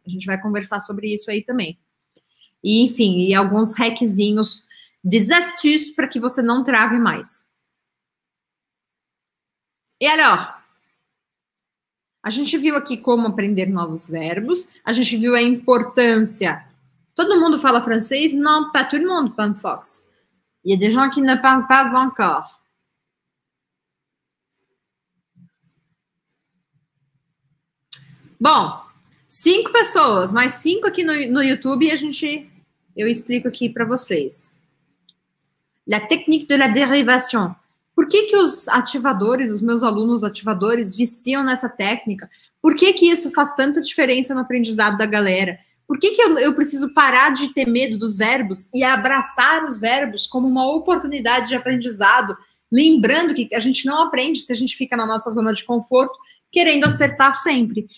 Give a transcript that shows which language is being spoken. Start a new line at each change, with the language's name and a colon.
Portuguese: A gente vai conversar sobre isso aí também. E, enfim, e alguns hackzinhos desastres para que você não trave mais. E olha, ó. A gente viu aqui como aprender novos verbos. A gente viu a importância. Todo mundo fala francês?
French: Não, pas tout le monde, Pam Fox. Il y a des gens qui ne parlent pas encore.
Portuguese: Bom, 5 pessoas, mais 5 aqui no YouTube e eu explico aqui para vocês.
French: La technique de la dérivation.
Portuguese: Por que os ativadores, os meus alunos ativadores, viciam nessa técnica? Por que isso faz tanta diferença no aprendizado da galera? Por que eu preciso parar de ter medo dos verbos e abraçar os verbos como uma oportunidade de aprendizado? Lembrando que a gente não aprende se a gente fica na nossa zona de conforto querendo acertar sempre.